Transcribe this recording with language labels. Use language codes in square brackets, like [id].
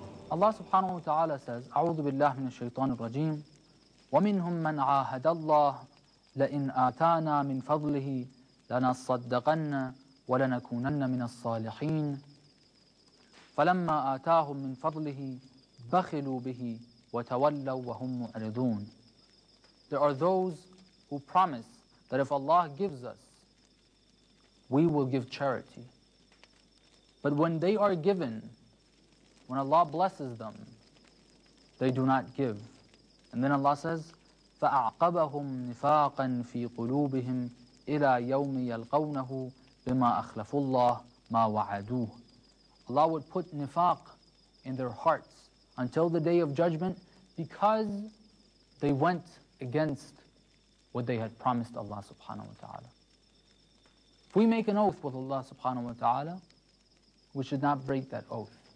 [en] Allah subhanahu wa ta'ala says, [ar] أعوذ بالله من الشيطان الرجيم وَمِنْهُمْ مَنْ عَاهَدَ اللَّهِ لَإِنْ آتَانَا مِنْ فَضْلِهِ لَنَصَّدَّقَنَّ وَلَنَكُونَنَّ مِنَ الصَّالِحِينَ فَلَمَّا آتَاهُمْ مِنْ فَضْلِهِ بَخِلُوا بِهِ وَتَوَلَّوا وَهُمْ مُعْرِضُونَ. [en] There are those who promise that if Allah gives us, we will give charity. But when they are given, When Allah blesses them, they do not give. And then Allah says, [ar] فَأَعْقَبَهُمْ نِفَاقًا فِي قُلُوبِهِمْ إِلَىٰ يَوْمِ يَلْقَوْنَهُ بِمَا أَخْلَفُ اللَّهِ مَا وَعَدُوهُ. [en] Allah would put nifaq in their hearts until the Day of Judgment because they went against what they had promised Allah subhanahu wa ta'ala. If we make an oath with Allah subhanahu wa ta'ala, we should not break that oath.